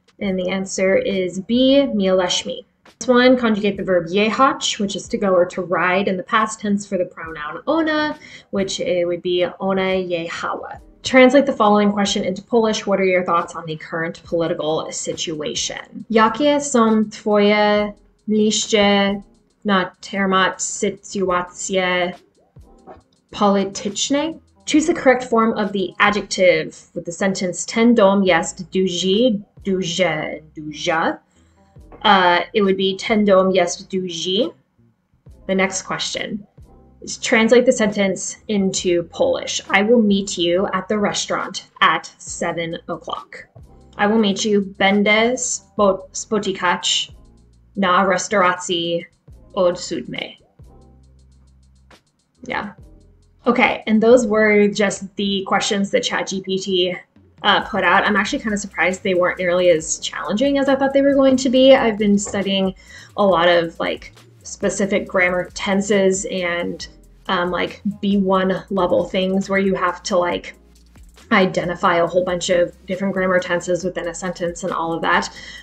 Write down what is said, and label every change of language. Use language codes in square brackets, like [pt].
[en] And the answer is B, mieleshmi. This one, conjugate the verb yehach, which is to go or to ride, in the past tense for the pronoun ona, which it would be [pl] ona jechała. [en] Translate the following question into Polish. What are your thoughts on the current political situation? [pl] Jakie są twoje myśli na temat sytuacji politycznej? [en] Choose the correct form of the adjective with the sentence [pl] ten dom jest duży, duże, duża. [en] It would be [pl] ten dom jest duży. [en] The next question is translate the sentence into Polish. I will meet you at the restaurant at 7 o'clock. I will meet you [pl] będę spotykać na restauracji o 7. [en] Yeah. Okay, and those were just the questions that ChatGPT put out. I'm actually kind of surprised they weren't nearly as challenging as I thought they were going to be. I've been studying a lot of like specific grammar tenses and like B1 level things where you have to like identify a whole bunch of different grammar tenses within a sentence and all of that.